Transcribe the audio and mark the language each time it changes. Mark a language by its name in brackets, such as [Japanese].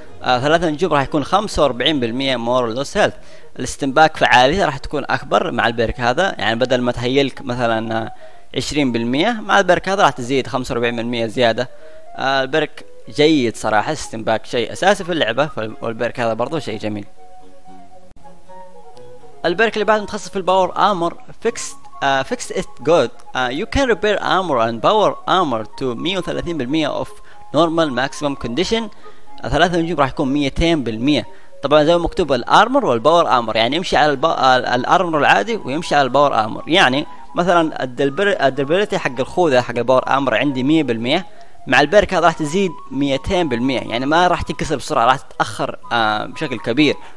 [Arabic] ثلاث نجوم راح يكون 45% مور لوس هيلث. الستمباك فعاليته راح تكون اكبر مع البرك هذا، يعني بدل ما تهيلك مثلا 20% مع البرك هذا راح تزيد 45% زياده. البرك جيد صراحه، الستمباك شيء اساسي في اللعبه، والبرك هذا برضه شيء جميل. البرك اللي بعده متخصص في الباور امر، فيكست [English] fix it good, you can repair armor and power armor to 130% of normal maximum condition. [Arabic] ثلاثة نجوم راح يكون 200%. طبعا زي مكتوب الارمر والباور ارمر، يعني يمشي على الارمر العادي ويمشي على الباور ارمر. يعني مثلا الدربلتي حق الخوذه حق الباور ارمر عندي 100%، مع البرك هذا راح تزيد 200%، يعني ما راح تنكسر بسرعه، راح تتاخر بشكل كبير.